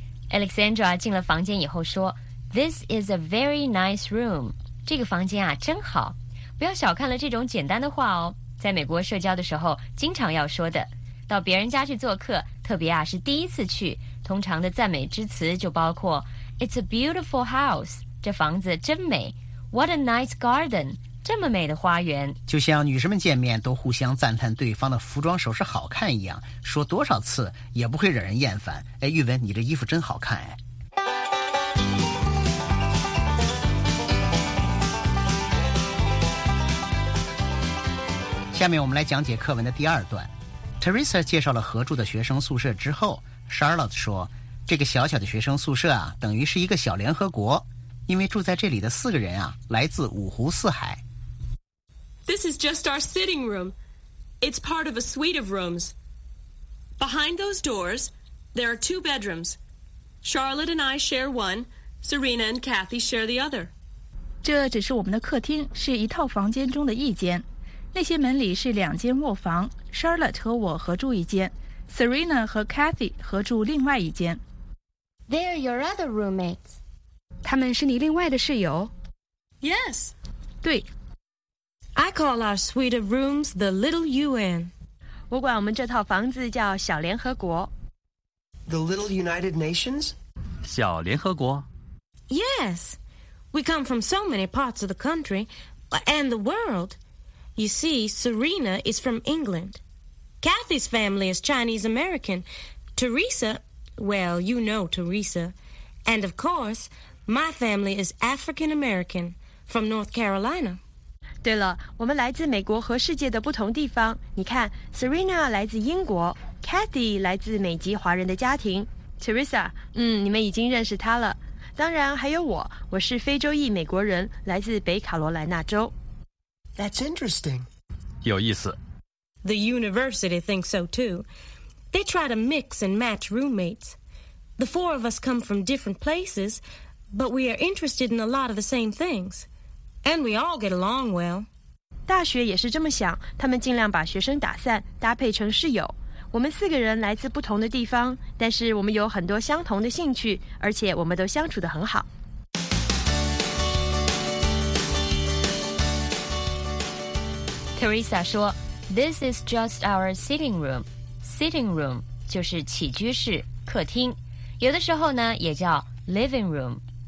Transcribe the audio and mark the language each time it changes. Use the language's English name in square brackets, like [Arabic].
[Chinese] Alexandra 进了房间以后说 [English] This is a very nice room， [Chinese] 这个房间啊真好。不要小看了这种简单的话哦，在美国社交的时候经常要说的。到别人家去做客，特别啊是第一次去，通常的赞美之词就包括 [English] It's a beautiful house， [Chinese] 这房子真美。 [English] What a nice garden， [Chinese] 这么美的花园。就像女生们见面都互相赞叹对方的服装首饰好看一样，说多少次也不会惹人厌烦。哎，玉文，你这衣服真好看。哎，下面我们来讲解课文的第二段。 Teresa 介绍了合住的学生宿舍之后，Charlotte 说这个小小的学生宿舍啊，等于是一个小联合国，因为住在这里的四个人啊来自五湖四海。 [English] This is just our sitting room. It's part of a suite of rooms. Behind those doors there are two bedrooms. Charlotte and I share one. Serena and Kathy share the other. [Chinese] 这只是我们的客厅，是一套房间中的一间。那些门里是两间卧房， Charlotte 和我合住一间，Serena 和 Kathy 合住另外一间。 [English] They're your other roommates. [Chinese] 他们是你另外的室友？ [English] Yes. [Chinese] 对。 [English] I call our suite of rooms the Little UN. [Chinese] 我管我们这套房子叫小联合国。 [English] The Little United Nations? [Chinese] 小联合国。 [English] Yes. We come from so many parts of the country and the world. You see, Serena is from England. Kathy's family is Chinese-American. Teresa, well, you know Teresa. And of course, my family is African-American from North Carolina. [Chinese] 对了，我们来自美国和世界的不同地方。你看 ,Serena 来自英国 ,Kathy 来自美籍华人的家庭。 Teresa, 你们已经认识她了。当然还有我，我是非洲裔美国人，来自北卡罗来纳州。 [English] That's interesting. [Chinese] 有意思。 [English] The university thinks so too. They try to mix and match roommates. The four of us come from different places, but we are interested in a lot of the same things. And we all get along well. [Chinese] 大学也是这么想，他们尽量把学生打散，搭配成室友。我们四个人来自不同的地方，但是我们有很多相同的兴趣，而且我们都相处得很好。 Teresa 说 , [English] This is just our sitting room. [Chinese] Sitting room 就是起居室，客厅。有的时候呢也叫 living room.